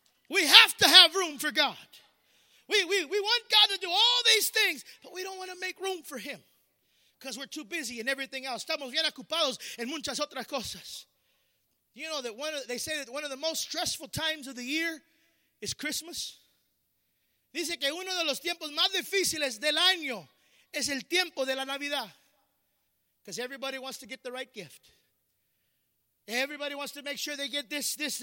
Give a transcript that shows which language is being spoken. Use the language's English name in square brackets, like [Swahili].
[English] We have to have room for God. We want God to do all these things, but we don't want to make room for him because we're too busy and everything else. [Spanish] Estamos bien ocupados en muchas otras cosas. [English] You know that one of the most stressful times of the year is Christmas. [Spanish] Dice que uno de los tiempos más difíciles del año es el tiempo de la Navidad. [English] Because everybody wants to get the right gift. Everybody wants to make sure they get this.